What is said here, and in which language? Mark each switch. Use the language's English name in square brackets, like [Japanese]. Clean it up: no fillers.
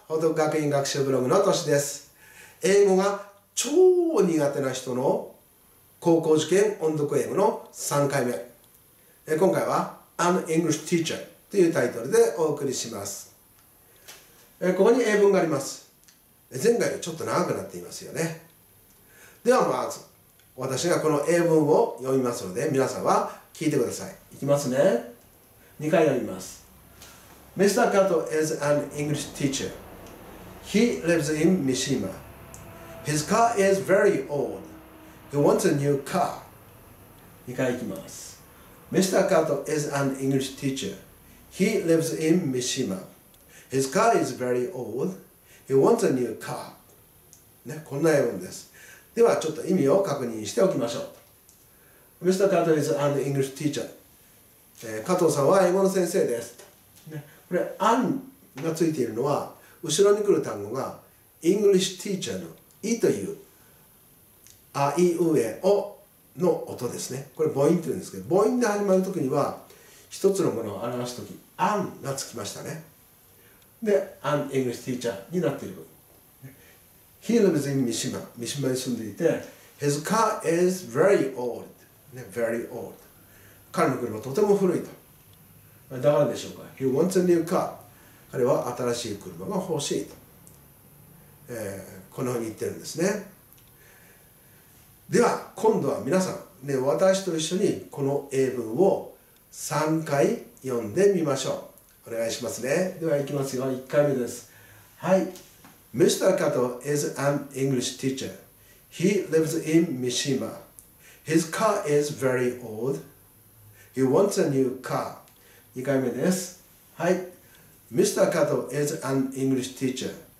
[Japanese] 報徳学院学習ブログのトシです。英語が超苦手な人の高校受験音読英語の3回目、今回は An English Teacher というタイトルでお送りします。ここに英文があります。前回よりちょっと長くなっていますよね。ではまず私がこの英文を読みますので皆さんは聞いてください。いきますね。2回読みます。 [English] Mr. Kato is an English teacher. He lives in Mishima. His car is very old. He wants a new car. [Japanese] 2回いきます。 [English] Mr. Kato is an English teacher. He lives in Mishima. His car is very old. He wants a new car. [Japanese] ね、こんな英文です。ではちょっと意味を確認しておきましょう。 [English] Mr. Kato is an English teacher. [Japanese] 加藤さんは英語の先生です。これ、an がついているのは、後ろに来る単語が、English teacher の e という、あいうえおの音ですね。これ、母音って言うんですけど、母音で始まるときには、一つのものを表すとき、an がつきましたね。で、an English teacher になっている。 [English] He lives in Mishima。 [Japanese] 三島に住んでいて、 [English] his car is very old、 [Japanese] ね。 [English] very old。 [Japanese] 彼の車はとても古いと。だからでしょうか。 [English] He wants a new car. [Japanese] 彼は新しい車が欲しいと、このように言ってるんですね。では今度は皆さん、ね、私と一緒にこの英文を3回読んでみましょう。お願いしますね。ではいきますよ。1回目です。 [English] はい。Mr. Kato is an English teacher. He lives in Mishima. His car is very old. He wants a new car. [Japanese] 2回目です。 [English] はい。Mr. Kato is an English teacher.